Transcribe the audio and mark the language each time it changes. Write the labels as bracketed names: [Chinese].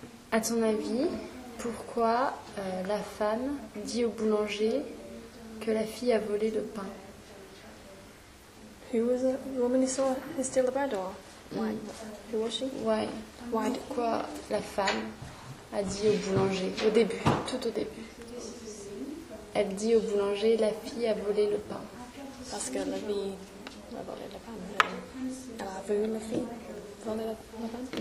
[French] À ton avis, pourquoi la femme dit au boulanger que la fille a volé le pain? [English] Who was the woman you saw who stole the bread, or why? Who was she? Why? Why? [French] Pourquoi la femme a dit au boulanger au début, tout au début? Elle dit au boulanger, la fille a volé le pain. Parce que la fille a volé le pain. Elle a vu la fille voler le pain.